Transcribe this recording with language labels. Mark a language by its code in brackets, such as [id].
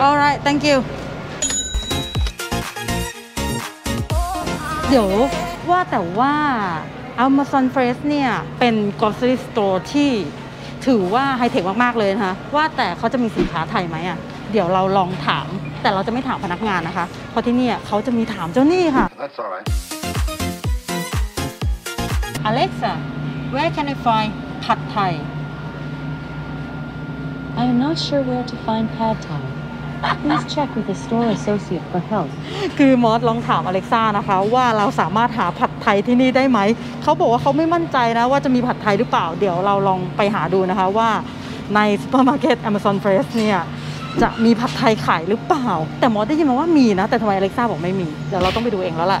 [en] alright thank you [th] เดี๋ยวว่าแต่ว่า Amazon Fresh เนี่ยเป็น grocery store ที่ถือว่าไฮเทคมากๆเลยนะคะว่าแต่เขาจะมีสินค้าไทยไหมอ่ะเดี๋ยวเราลองถามแต่เราจะไม่ถามพนักงานนะคะเพราะที่นี่เขาจะมีถามเจ้าหนี้ค่ะ [en] That's alright Alexa where can I find pad Thai I am not sure where to find pad Thai please check with the store associate for help [th] คือมอสลองถาม Alexa นะคะว่าเราสามารถหาผัดไทยที่นี่ได้ไหมเขาบอกว่าเขาไม่มั่นใจนะว่าจะมีผัดไทยหรือเปล่าเดี๋ยวเราลองไปหาดูนะคะว่าในซุปเปอร์มาร์เก็ต Amazon Fresh เนี่ยจะมีผัดไทยขายหรือเปล่าแต่หมอได้ยินมาว่ามีนะแต่ทำไมอเล็กซ่าบอกไม่มีเดี๋ยวเราต้องไปดูเองแล้วล่ะ